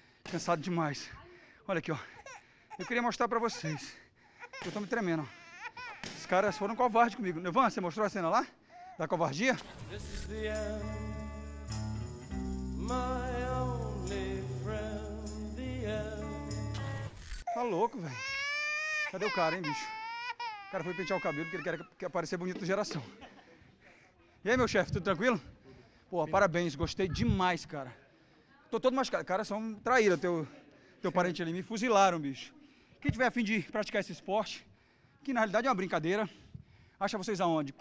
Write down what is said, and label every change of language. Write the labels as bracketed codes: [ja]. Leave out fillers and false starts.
[pt] Cansado demais. Olha aqui, ó. Eu queria mostrar pra vocês. Eu tô me tremendo, ó. Os caras foram covardes comigo. Levan, você mostrou a cena lá? Da covardia? [en] This is the end, my only friend, the end. [pt] Tá louco, velho. Cadê o cara, hein, bicho? O cara foi pentear o cabelo porque ele quer aparecer bonito na Geração. E aí, meu chefe, tudo tranquilo? Pô, parabéns. Gostei demais, cara. Tô todo machucado. Cara, são traíra. Teu parente ali me fuzilaram, bicho. Quem tiver a fim de praticar esse esporte, que na realidade é uma brincadeira, acha vocês aonde?